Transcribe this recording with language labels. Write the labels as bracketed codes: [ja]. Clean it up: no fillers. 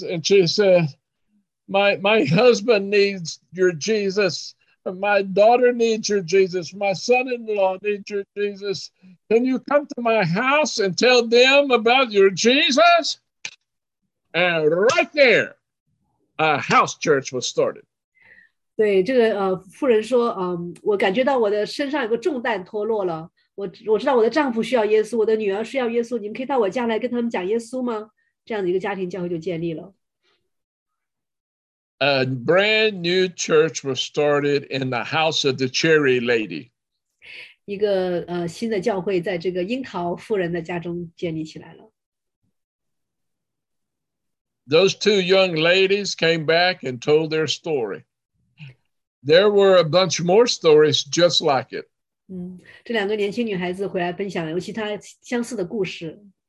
[en] And she said, my husband needs your Jesus. My daughter needs your Jesus. My son-in-law needs your Jesus. Can you come to my house and tell them about your Jesus? And right there, a house church was started. [zh] 对，这个妇人说，我感觉到我的身上有个重担脱落了。我知道我的丈夫需要耶稣，我的女儿需要耶稣。你们可以到我家来跟他们讲耶稣吗？这样的一个家庭教会就建立了。 [en] A brand new church was started in the house of the cherry lady. [zh] 一个新的教会在这个樱桃妇人的家中建立起来了。 [en] Those two young ladies came back and told their story. There were a bunch more stories just like it. [zh] 这两个年轻女孩子回来分享了其他相似的故事。